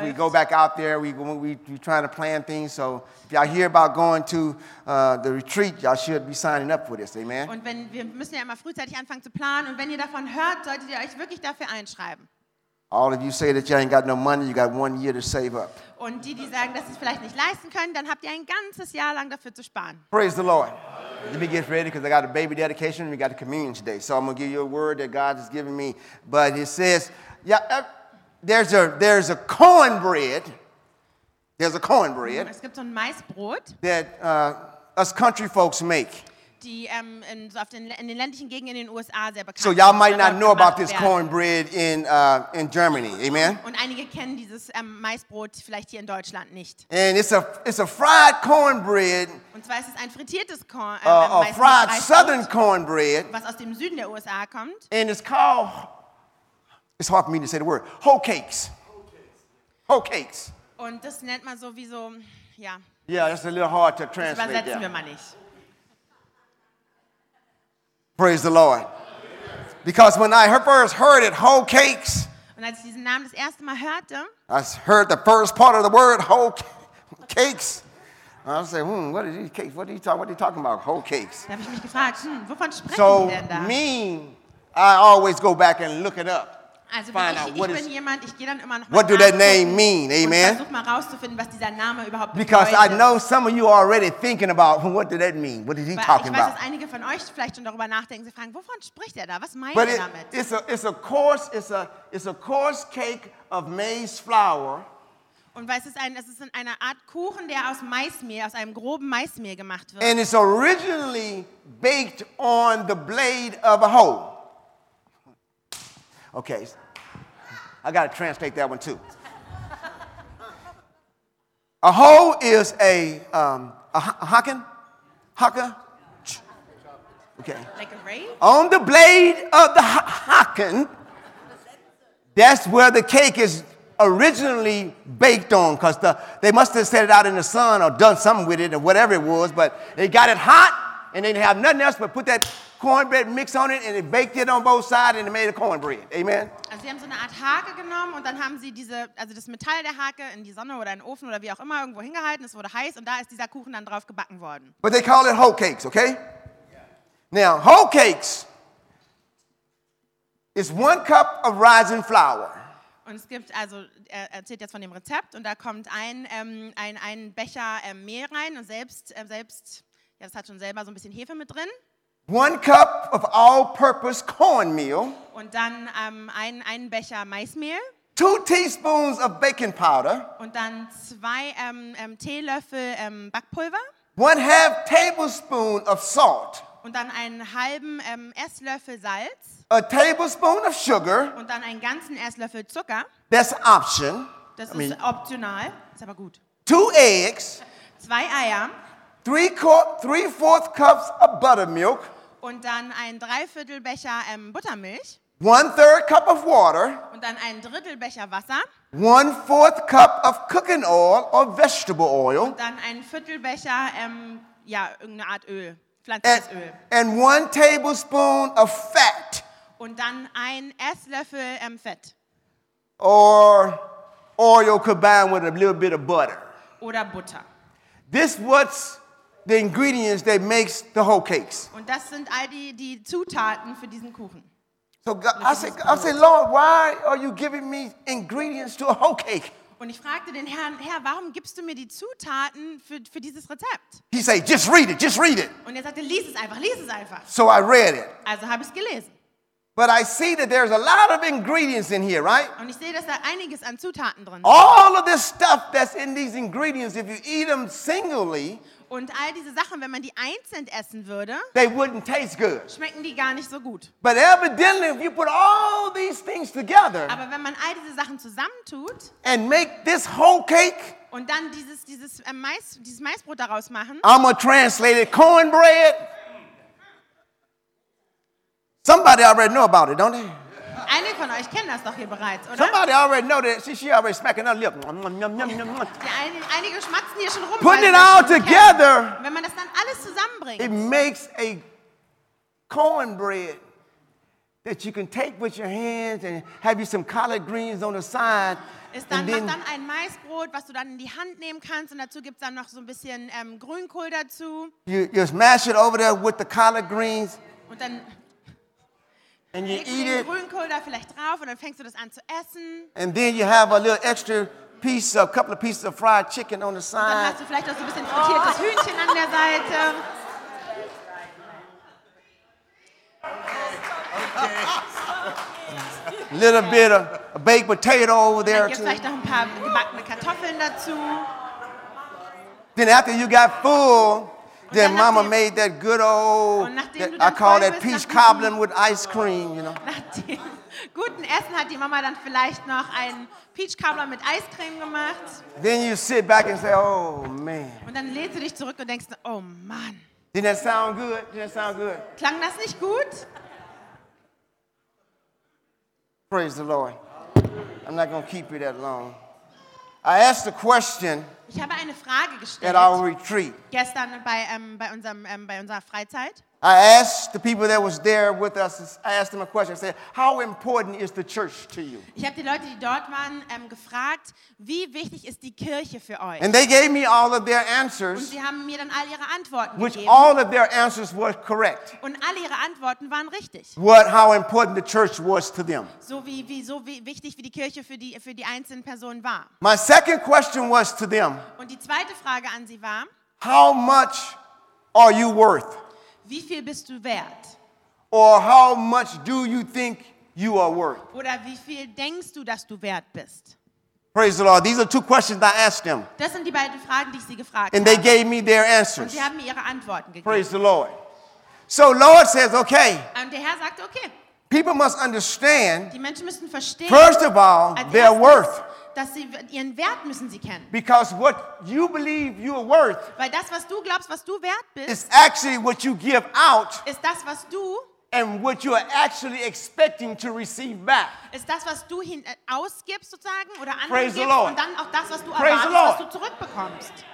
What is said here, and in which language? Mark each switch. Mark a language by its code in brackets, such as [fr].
[en] If we go back out there, we're trying to plan things. So if y'all hear about going to the retreat, y'all should be signing up for this. Amen. [de] Und wenn wir müssen ja immer frühzeitig anfangen zu planen. Und wenn ihr davon hört, solltet ihr euch wirklich dafür einschreiben. [en] All of you say that you ain't got no money, you got 1 year to save up. [de] Und die sagen, dass sie es vielleicht nicht leisten können, dann habt ihr ein ganzes Jahr lang dafür zu sparen. [en] Praise the Lord. Let me get ready because I got a baby dedication and we got a communion today. So I'm going to give you a word that God has given me. But it says, yeah, there's a cornbread. There's a cornbread. [de] Es gibt so ein Maisbrot. [en] That us country folks make. [de] Die in den ländlichen Gegenden in den USA sehr bekannt. [en] So y'all might not know about this cornbread in Germany, amen? [de] Und einige kennen dieses Maisbrot vielleicht hier in Deutschland nicht. [en] And it's a fried cornbread. [de] Und zwar ist es ein frittiertes Korn, [en] a fried southern cornbread. [de] Was aus dem Süden der USA kommt. [en] And it's hard for me to say the word, hoe cakes. Hoe cakes. [de] Und das nennt man so wie so, ja. [en] Yeah, that's a little hard to translate. [de] Das übersetzen wir mal nicht. [en] Praise the Lord. Because when I first heard it, whole cakes. [de] Und als ich diesen Namen das erste Mal hörte, [en] I heard the first part of the word, whole cakes. And I said, what are these cakes? What are you talking? What are you talking about? Whole cakes. [de] Da habe ich mich gefragt, wovon sprechen so denn da? [en] So me, I always go back and look it up. Also find out what is. [de] Jemand, ich gehe dann immer noch mal [en] what do that name mean? Amen. [de] Und versuch mal rauszufinden, was dieser Name überhaupt [en] because [de] bedeutet. [en] I know some of you are already thinking about what did that mean? What is he [de] weil [en] talking about? [de] Ich weiß, [en] about? [de] Dass einige von euch vielleicht schon darüber nachdenken. Sie fragen, wovon spricht er da? Was meint [en] but [de] er [en] it, [de] damit? [en] It's a coarse cake of maize flour. [de] Und weil es ist eine Art Kuchen, der aus Maismehl, aus einem groben Maismehl gemacht wird. [en] And it's originally baked on the blade of a hoe. Okay, I got to translate that one too. A hoe is a hocken, hocker. Okay. Like a rake? On the blade of the hocken, that's where the cake is originally baked on, because they must have set it out in the sun or done something with it or whatever it was, but they got it hot and they didn't have nothing else but put that cornbread mix on it and it baked it on both sides and it made a cornbread. Amen. [de] Also sie haben so eine Art Hake genommen und dann haben sie diese, also das Metall der Hake in die Sonne oder in den Ofen oder wie auch immer irgendwo hingehalten, es wurde heiß und da ist dieser Kuchen dann drauf gebacken worden. [en] But they call it hoe cakes, okay? Now, hoe cakes is 1 cup of rising flour. [de] Und es gibt also, er erzählt jetzt von dem Rezept und da kommt ein Becher Mehl rein und selbst ja, das hat schon selber so ein bisschen Hefe mit drin. [en] 1 cup of all-purpose cornmeal. [de] Und dann ein Becher Maismehl. [en] 2 teaspoons of baking powder. [de] Und dann 2 Teelöffel Backpulver. [en] 1/2 tablespoon of salt. [de] Und dann einen halben Esslöffel Salz. [en] 1 tablespoon of sugar. [de] Und dann einen ganzen Esslöffel Zucker. [en] That's option. [de] Das ist optional. Ist aber gut. [en] 2 eggs. [de] 2 Eier. [en] 3/4 cups of buttermilk. [de] Und dann ein Dreiviertel Becher Buttermilch. [en] 1/3 cup of water. [de] Und dann ein Drittel Becher Wasser. [en] 1/4 cup of cooking oil or vegetable oil. [de] Und dann ein Viertel Becher irgendeine Art Öl, pflanzliches Öl. [en] And 1 tablespoon of fat. [de] Und dann ein Esslöffel Fett. [en] Or oil combined with a little bit of butter. [de] Oder Butter. [en] This what's the ingredients that makes the whole cakes. [de] Und das sind all die Zutaten für diesen Kuchen. [en] So God, I say, Lord, why are you giving me ingredients to a whole cake? [de] Und ich fragte den Herrn, Herr, warum gibst du mir die Zutaten für dieses Rezept? [en] He said, just read it. [de] Und er sagte, lies es einfach. [en] So I read it. [de] Also habe ich es gelesen. [en] But I see that there's a lot of ingredients in here, right? [de] Und ich sehe, dass da einiges an Zutaten drin sind. [en] All of this stuff that's in these ingredients, if you eat them singly, [de] und all diese Sachen, wenn man die einzeln essen würde, [en] they wouldn't taste good. [de] Schmecken die gar nicht so gut. [en] But evidently, if you put all these things together, [de] aber wenn man all diese Sachen zusammentut, [en] and make this whole cake, [de] und dann dieses Maisbrot daraus machen, [en] I'm a translated cornbread. Somebody already know about it, don't they? [de] Einige von euch kennen das doch hier bereits, oder? [en] Somebody already know that. She already smacking her lip. [de] Einige schmatzen hier schon rum. [en] Putting it all together. [de] Wenn man das dann alles zusammenbringt. [en] It makes a cornbread that you can take with your hands and have you some collard greens on the side. [de] Ist dann, macht dann ein Maisbrot, was du dann in die Hand nehmen kannst und dazu gibt es dann noch so ein bisschen Grünkohl dazu. [en] You smash it over there with the collard greens. [de] Und dann... [en] And you eat it. [de] Grünkohl da vielleicht drauf und dann fängst du das an zu essen. [en] And then you have a little extra piece, a couple of pieces of fried chicken on the side. [de] Und dann hast du vielleicht auch so ein bisschen frittiertes Hühnchen an der Seite. [en] A little bit of a baked potato over there too. [de] Vielleicht noch ein paar gebackene Kartoffeln dazu. [en] Then after you got full. Then Mama made that good old, I call that peach cobbler with ice cream, you know. [de] Nach dem guten Essen hat die Mama dann vielleicht noch einen Peach Cobbler mit Eiscreme gemacht. [en] Then you sit back and say, oh man. [de] Und dann lehnst du dich zurück und denkst, oh man. [en] Didn't that sound good? Didn't that sound good? [de] Klang das nicht gut? [en] Praise the Lord. I'm not going to keep you that long. I asked the question. [de] Ich habe eine Frage gestellt [en] at our retreat. [de] Gestern bei unserer Freizeit. [en] I asked the people that was there with us, I asked them a question. I said, how important is the church to you? [de] Ich habe die Leute, die dort waren, gefragt, wie wichtig ist die Kirche für euch? [en] And they gave me all of their answers. [de] Und sie haben mir dann all ihre Antworten [en] which [de] gegeben. [en] All of their answers were correct. [de] Und alle ihre Antworten waren richtig. [en] What, how important the church was to them. [de] So wie wichtig wie die Kirche für die einzelnen Personen war. [en] My second question was to them. [de] Und die zweite Frage an sie war, [en] how much are you worth? [de] Wie viel bist du wert? [en] Or how much do you think you are worth? [de] Oder wie viel denkst du, dass du wert bist? [en] Praise the Lord. These are two questions I asked them. [de] Das sind die beiden Fragen, die ich sie gefragt habe. [en] And they gave me their answers. [de] Und sie haben mir ihre Antworten gegeben. [en] Praise the Lord. So Lord says, okay. [de] Und der Herr sagt, okay. [en] People must understand. [de] Die Menschen müssen verstehen. [en] First of all, their worth. [de] Dass sie ihren Wert müssen sie kennen. [en] Because what you believe you are worth, [de] weil das, was du glaubst, was du wert bist, [en] is actually what you give out, [de] ist das, was du, [en] and what you are actually expecting to receive back. [de] Ist das, was du ausgibst sozusagen oder anderen gibst, [en] the Lord. [de] Und dann auch das, was du erwartest, was du zurückbekommst.